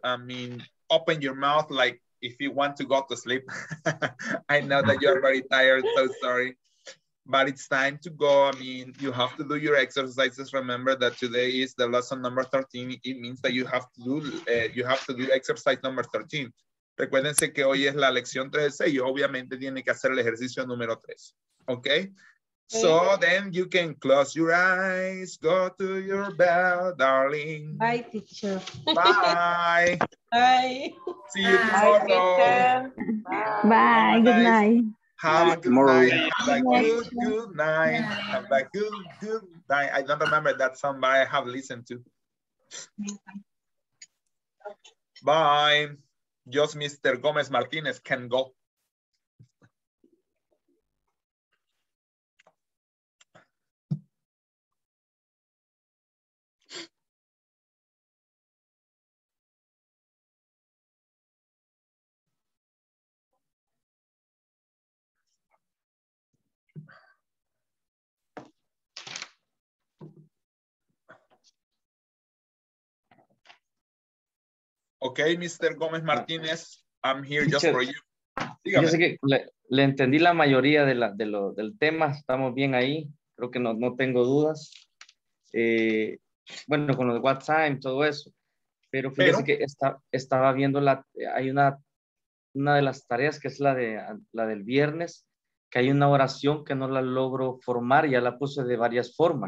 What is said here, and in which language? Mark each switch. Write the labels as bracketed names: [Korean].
[English] I mean, open your mouth like. If you want to go to sleep, I know that you're very tired, so sorry. But it's time to go. I mean, you have to do your exercises. Remember that today is the lesson number 13. It means that you have to do exercise number 13. [Spanish] Recuérdense que hoy es la lección 13 y obviamente tiene que hacer el ejercicio número 3. [English] Okay? So then you can close your eyes, go to your bed, darling. Bye, teacher. Bye. Bye. See you tomorrow. Bye. Bye. Bye. Good night. Have a good tomorrow. Night. Have a good night. Have a good night. I don't remember that song, but I have listened to. Bye. Just Mr. Gomez Martinez can go. Okay, Mr. Gómez Martínez, I'm here teacher, just for you. [Spanish] Dígame. Yo sé que le entendí la mayoría de del tema, estamos bien ahí, creo que no tengo dudas. Bueno, con los WhatsApp, todo eso, pero fíjese que estaba viendo hay una de las tareas que es la del viernes, que hay una oración que no la logro formar, ya la puse de varias formas.